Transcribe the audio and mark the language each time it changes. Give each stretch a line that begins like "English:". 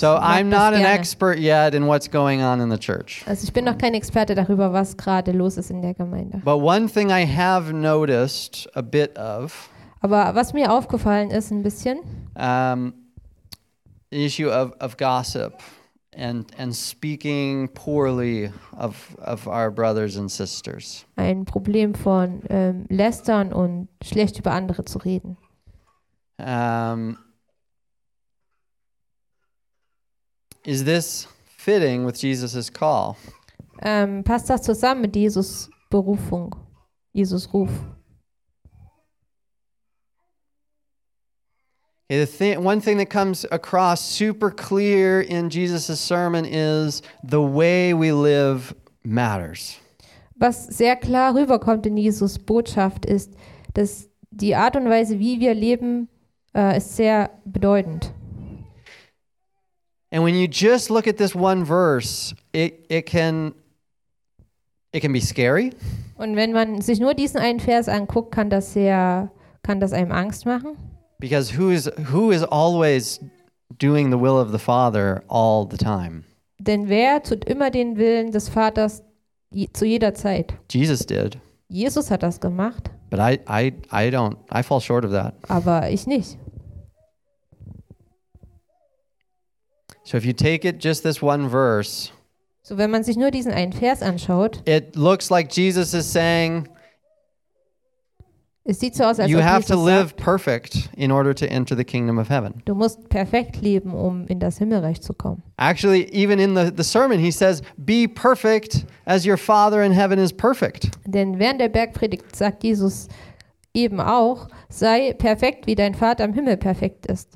English: So I'm not an expert yet in what's going on in the church.
German: Also ich bin noch kein Experte darüber, was gerade los ist in der Gemeinde.
English: But one thing I have noticed a bit of.
German: Aber was mir aufgefallen ist ein bisschen.
English: Issue of gossip and speaking poorly of our brothers and sisters.
German: Ein Problem von lästern und schlecht über andere zu reden.
English: Is this fitting with Jesus's call?
German: Passt das zusammen mit Jesus Berufung, Jesus Ruf?
English: One thing that comes across super clear in Jesus's sermon is the way we live matters.
German: Was sehr klar rüberkommt in Jesus Botschaft ist, dass die Art und Weise, wie wir leben, ist sehr bedeutend.
English: And when you just look at this one verse, it can be scary.
German: Und wenn man sich nur diesen einen Vers anguckt, kann das einem Angst machen.
English: Because who is always doing the will of the Father all the time?
German: Denn wer tut immer den Willen des Vaters zu jeder Zeit?
English: Jesus did.
German: Jesus hat das gemacht.
English: But I don't. I fall short of that.
German: Aber ich nicht.
English: So if you take it just this one verse.
German: So wenn man sich nur diesen einen Vers anschaut.
English: It looks like Jesus is saying.
German: Es sieht so aus, als
English: you
German: ob
English: have
German: Jesus
English: to live
German: sagt,
English: perfect in order to enter the kingdom of heaven.
German: Du musst perfekt leben, um in das Himmelreich zu kommen.
English: Actually, even in the sermon, he says, "Be perfect as your Father in heaven is perfect."
German: Denn während der Bergpredigt sagt Jesus eben auch, sei perfekt, wie dein Vater im Himmel perfekt ist.